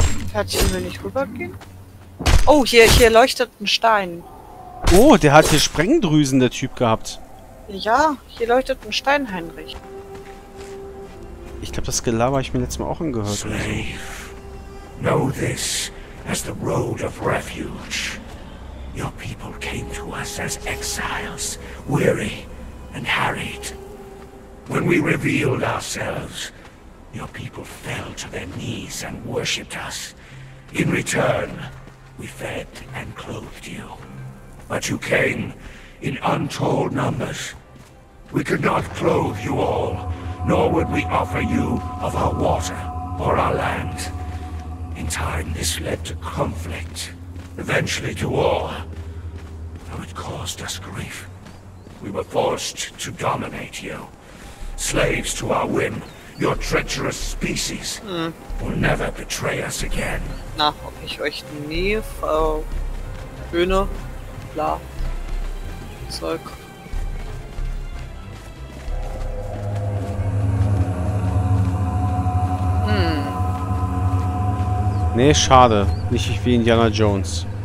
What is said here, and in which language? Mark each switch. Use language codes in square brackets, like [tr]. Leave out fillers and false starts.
[de] Pferdchen will nicht rübergehen. Oh, hier leuchtet ein Stein. Oh, der hat hier Sprengdrüsen, der Typ, gehabt. Ja, hier leuchtet ein Stein, Heinrich. Ich glaube, das Gelaber ich mir letztes Mal auch angehört. [en] Slave, know this as the road of refuge. Your people came to us as exiles, weary and harried. When we revealed ourselves, your people fell to their knees and worshipped us. In return, we fed and clothed you. But you came in untold numbers. We could not clothe you all, nor would we offer you of our water or our land. In time, this led to conflict, eventually to war. Though it caused us grief, we were forced to dominate you. Slaves to our whim, your treacherous species will never betray us again. [de] Na, ob ich euch nie, Frau Bühne, bla, Zeug. Nee, schade. Nicht wie Indiana Jones.